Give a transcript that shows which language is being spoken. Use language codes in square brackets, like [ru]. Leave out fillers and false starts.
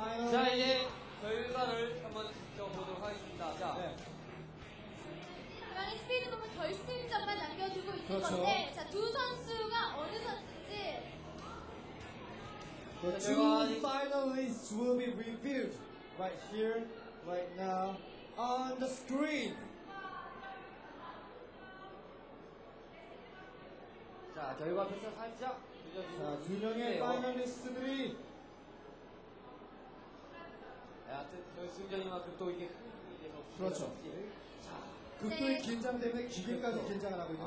[ko] 자 이제 결과를 한번 지켜보도록 하겠습니다. 자, 네. 이번에 스피드 부분 결승전만 남겨두고 있는 그렇죠. 건데, 자 두 선수가 어느 선수인지. [en] The two finalists will be revealed right here, right now on the screen. [ko] 자 결과 표시 살짝 늦어주세요. 자 두 명의 파이널리스트들이. 결승전이만큼 또 이게 그렇죠. 극도의 네. 긴장 때문에 기계까지 긴장을 하고 있는